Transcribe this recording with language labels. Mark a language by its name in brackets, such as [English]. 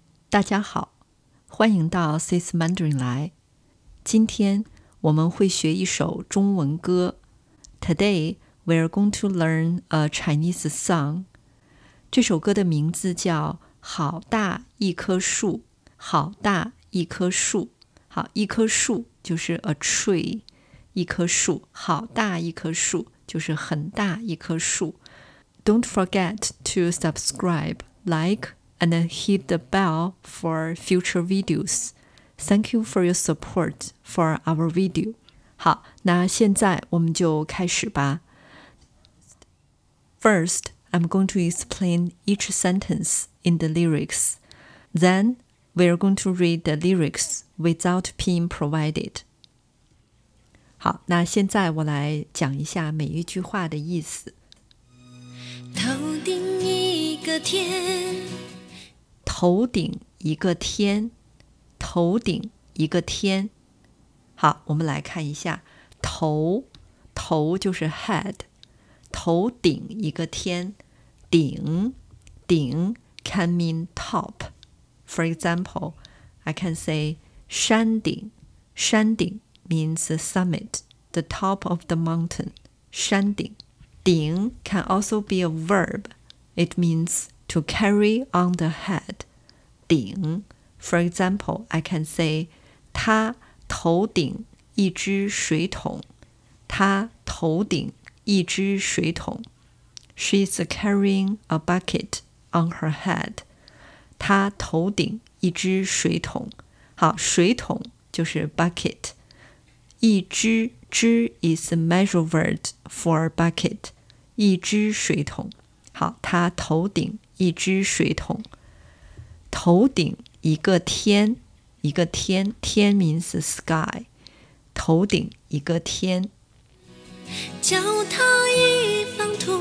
[Chinese] 大家好，欢迎到 SyS Mandarin 来。今天我们会学一首中文歌。 [English] Today, we are going to learn a Chinese song. [Chinese] 这首歌的名字叫好大一棵树。好大一棵树。好，一棵树就是 a tree, 一棵树。好大一棵树就是很大一棵树。 [English] Don't forget to subscribe, like, and hit the bell for future videos. Thank you for your support for our video. [Chinese] 好，那现在我们就开始吧。 [English] First, I'm going to explain each sentence in the lyrics. Then, we're going to read the lyrics without pin provided. [Chinese] 好，那现在我来讲一下每一句话的意思。头顶一个天，头顶一个天，头顶一个天。好，我们来看一下，头就是 head， 头顶一个天，顶 [English] can mean top. For example, I can say 山顶 means the summit, the top of the mountain. 山顶。顶 can also be a verb. It means to carry on the head. [Chinese] 顶。 [English] For example, I can say, [Chinese] 他头顶一只水桶。他头顶一只水桶。 [English] She's carrying a bucket on her head. [Chinese] 他头顶一只水桶。好，水桶就是 bucket. [English] 一只，只 is a measure word for bucket. [Chinese] 一只水桶，好，他头顶一只水桶，头顶一个天，一个天，天 [English] means sky， [Chinese] 头顶一个天，脚踏一方